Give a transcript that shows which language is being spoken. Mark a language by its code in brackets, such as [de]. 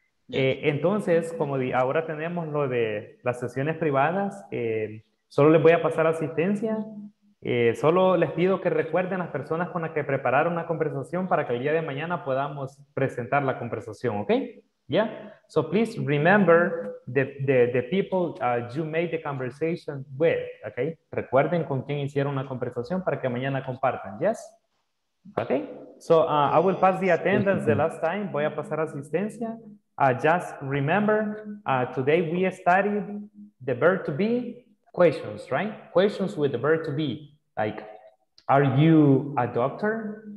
[es] Entonces, como ahora tenemos lo de las sesiones privadas, solo les voy a pasar asistencia, solo les pido que recuerden las personas con las que prepararon la conversación para que el día de mañana podamos presentar la conversación, okay? [en] Yeah, so please remember the people you made the conversation with, okay? [es] Recuerden con quién hicieron la conversación para que mañana compartan, yes? [en] Okay, so I will pass the attendance the last time. [es] Voy a pasar asistencia. [en] Just remember, today we studied the verb to be questions, right? Questions with the verb to be, like, are you a doctor?